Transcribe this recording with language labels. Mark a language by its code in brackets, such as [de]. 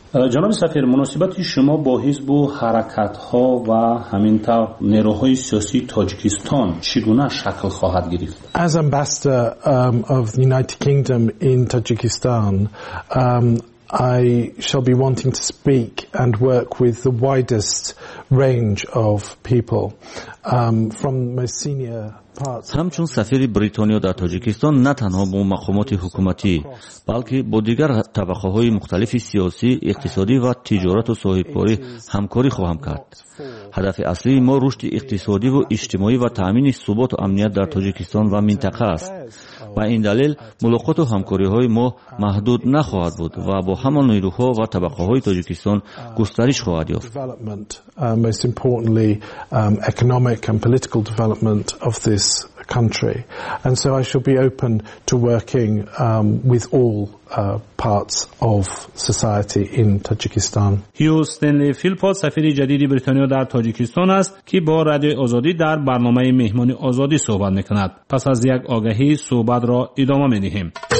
[fa] جناب سفیر، مناسبت شما با حزب و حرکت ها و همین طور نیروهای سیاسی تاجیکستان چگونه شکل خواهد گرفت؟ [en] As ambassador of the United Kingdom in Tajikistan, I shall be wanting to speak and work with the widest range of people from my senior parts. [fa] همچون سفیر بریتانیا در تاجیکستان نه تنها با مقامات حکومتی بلکه با دیگر طبقه های مختلف سیاسی، اقتصادی و تجارت و صاحبکاری همکاری خواهم کرد. هدف اصلی ما رشد اقتصادی و اجتماعی و تامین ثبات و امنیت در تاجیکستان و منطقه است. با این دلیل ملاقات و همکاری های ما محدود نخواهد بود و با همه نیروها و طبقه های تاجیکستان گسترش خواهد یافت. [en] Most importantly, economic and political development of this country. And so I shall be open to working with all parts of society in Tajikistan. [fa] هیو استنلی فیلپوت سفیر جدید بریتانیا در تاجیکستان است که با رادیو آزادی در برنامه مهمان آزادی صحبت میکند. پس از یک آگهی صحبت را ادامه میدهیم.